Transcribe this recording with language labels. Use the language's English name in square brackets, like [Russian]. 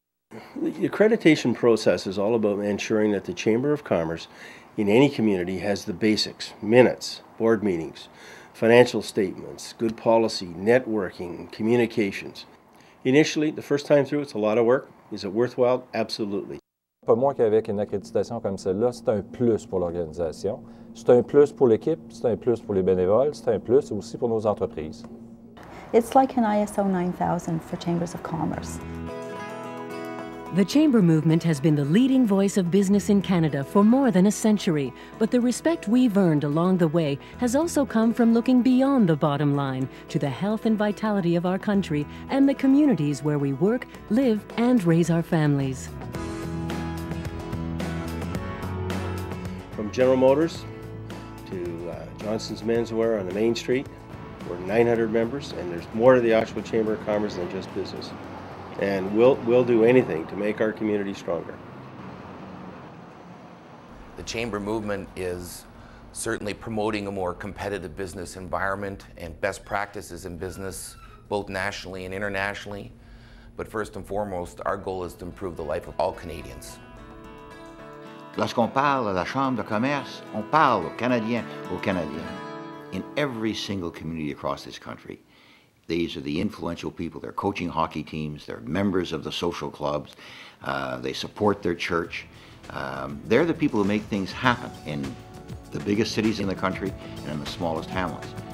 [English] The accreditation process is all about ensuring that the Chamber of Commerce in any community has the basics, minutes, board meetings, financial statements, good policy, networking, communications. Initially, the first time through, it's a lot of work. Is it worthwhile? Absolutely. [French] Pas moins qu'avec une accréditation comme celle-là, c'est un plus pour l'organisation. C'est un plus pour l'équipe, c'est un plus pour les bénévoles, c'est un plus aussi pour nos entreprises. [English] It's like an ISO 9000 for Chambers of Commerce. The Chamber movement has been the leading voice of business in Canada for more than a century, but the respect we've earned along the way has also come from looking beyond the bottom line to the health and vitality of our country and the communities where we work, live, and raise our families. From General Motors to Johnson's Menswear on the Main Street, we're 900 members, and there's more to the Oshawa Chamber of Commerce than just business. And we'll do anything to make our community stronger. The Chamber movement is certainly promoting a more competitive business environment and best practices in business, both nationally and internationally. But first and foremost, our goal is to improve the life of all Canadians. [French] Lorsqu'on parle à la Chambre de commerce, on parle aux Canadiens, aux Canadiens. [English] In every single community across this country, these are the influential people. They're coaching hockey teams, they're members of the social clubs, they support their church. They're the people who make things happen in the biggest cities in the country and in the smallest hamlets.